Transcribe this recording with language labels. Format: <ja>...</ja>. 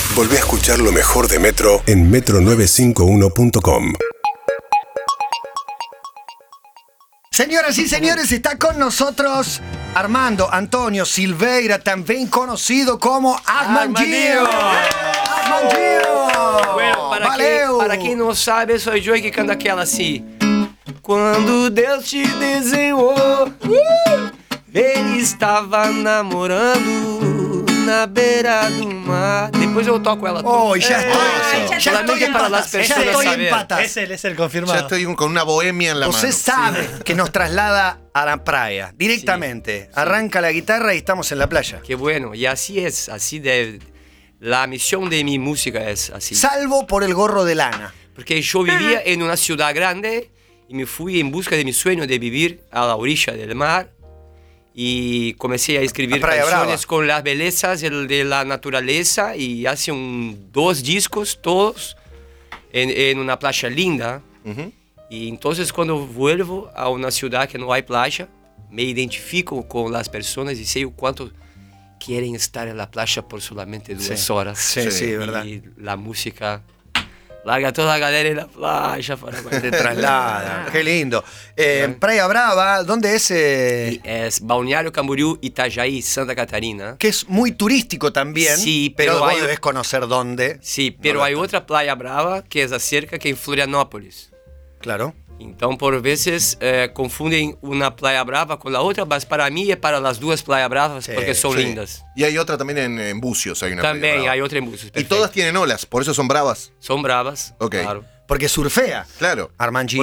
<es>Volvé a escuchar lo mejor de Metro en metro951.com. Señoras y señores, está con nosotros Armando Antonio Silveira, también conocido como Armandinho. Armandinho!</es> <pt>Para quem não sabe, sou eu que canto aquela assim. Quando Deus te desenhou, ele estava namorando na beira do mar. Depois eu toco ela. Já estou empatado.</pt> <es>Es el confirmado.</es> <pt>Já estou com uma boêmia na mão.</pt> <es>Você sabe que nos traslada a la praia directamente. Sí. Arranca la guitarra y estamos en la playa. Qué bueno, y así es, así debe. La misión de mi música es así. Salvo por el gorro de lana. Porque yo vivía en una ciudad grande y me fui en busca de mi sueño de vivir a la orilla del mar y comencé a escribir canciones Brava. Con las bellezas de la naturaleza y hace dos discos, todos en una playa linda. Uh-huh. Y entonces cuando vuelvo a una ciudad que no hay playa, me identifico con las personas y sé cuánto quieren estar en la playa por solamente dos horas. Sí, verdad. Y la música larga toda la galera en la playa para que te traslada. Qué lindo. Praia Brava, ¿dónde es? Es Balneario Camboriú, Itajaí, Santa Catarina. Que es muy turístico también. Sí, pero vos debes conocer dónde. Sí, pero no hay otra Playa Brava que es acerca, que es en Florianópolis. Claro.</es> <pt>Então, por vezes, confundem uma Playa Brava com a outra, mas para mim é para as duas Playa Bravas, sí, porque são sí. lindas. E há outra também em Búzios. Também, há outra em Búzios. E todas têm olas, por isso são bravas? São bravas,</pt> <es>okay. Claro. Porque surfea. Claro. Armandinho</es>